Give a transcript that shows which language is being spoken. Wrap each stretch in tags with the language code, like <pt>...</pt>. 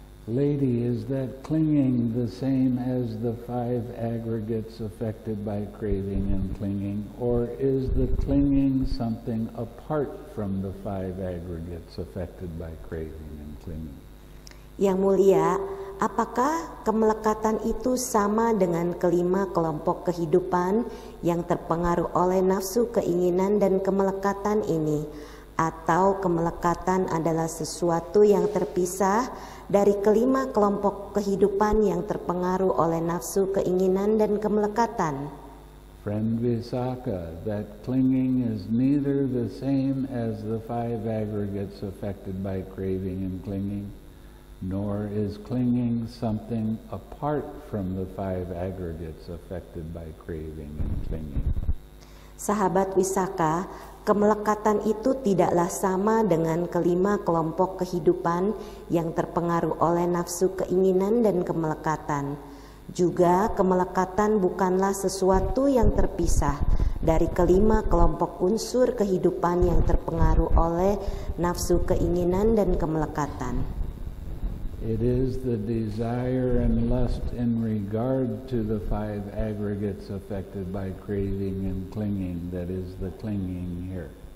<en>Lady, is that clinging the same as the five aggregates affected by craving and clinging, or is the clinging something apart from the five aggregates affected by craving and clinging?</en> <id>Yang mulia, apakah kemelekatan itu sama dengan kelima kelompok kehidupan yang terpengaruh oleh nafsu keinginan dan kemelekatan ini? Atau kemelekatan adalah sesuatu yang terpisah dari kelima kelompok kehidupan yang terpengaruh oleh nafsu keinginan dan kemelekatan?</id> <en>Friend Visakha, that clinging is neither the same as the five aggregates affected by craving and clinging. Nor is clinging something apart from the five aggregates affected by craving and clinging.</en> <id>Sahabat Visakha, kemelekatan itu tidaklah sama dengan kelima kelompok kehidupan yang terpengaruh oleh nafsu keinginan dan kemelekatan. Juga kemelekatan bukanlah sesuatu yang terpisah dari kelima kelompok unsur kehidupan yang terpengaruh oleh nafsu keinginan dan kemelekatan.</id> <en>It is the desire and lust in regard to the five aggregates affected by craving and clinging that is the clinging here.</en>